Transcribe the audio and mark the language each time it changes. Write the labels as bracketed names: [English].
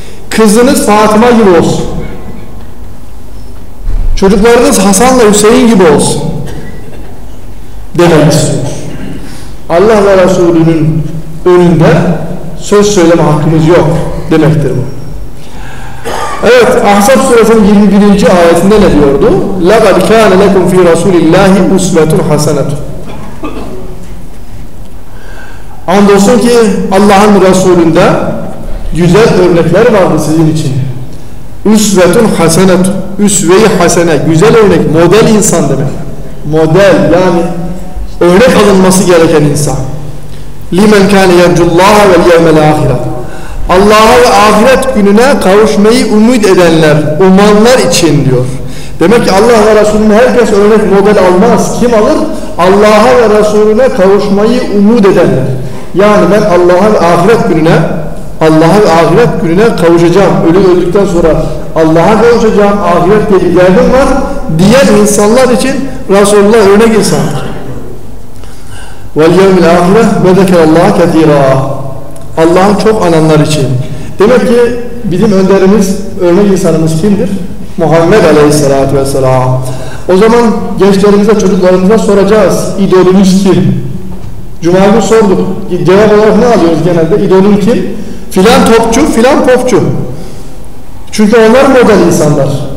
[Turkish] Kızınız Fatıma gibi olsun. Çocuklarınız Hasan'la Hüseyin gibi olsun demek istiyor. Allah ve Resulü'nün önünde söz söyleme hakkımız yok demektir bu. Evet, Ahzab suresinin 21. ayetinde ne diyordu? [Arabic] لَقَدْ كَانَ لَكُمْ ف۪ي رَسُولِ اللّٰهِ اُسْوَةٌ حَسَنَةٌ [Turkish] Andolsun ki Allah'ın Resulü'nde güzel örnekler vardı sizin için. Üsvetun hasenet, üsve-i hasene, güzel örnek, model insan demek. Model, yani örnek alınması gereken insan. [Arabic] لِمَنْ كَانَ يَرْجُ اللّٰهَ وَالْيَوْمَ الْآخِرَةِ [Turkish] Allah'a ve ahiret gününe kavuşmayı umut edenler, umanlar için diyor. Demek ki Allah ve Resulüne herkes örnek model almaz. Kim alır? Allah'a ve Resulüne kavuşmayı umut edenler. Yani ben Allah'a ve ahiret gününe, Allah'a ve ahiret gününe kavuşacağım. Ölü öldükten sonra Allah'a kavuşacağım, ahiret diye bir derdim var diyen insanlar için Resulullah örnek insandır. [Arabic] وَالْيَوْمِ الْاَخِرَةِ وَذَكَرَ اللّٰهَ كَثِيرًا [Turkish] Allah'ın çok ananlar için. Demek ki bizim önderimiz, örnek insanımız kimdir? Muhammed Aleyhisselatü Vesselam. O zaman gençlerimize, çocuklarımıza soracağız. İdolümüz kim? Cuma günü sorduk. Cevap olarak ne alıyoruz genelde? İdolüm kim? Filan topçu, filan popçu. Çünkü onlar model insanlar.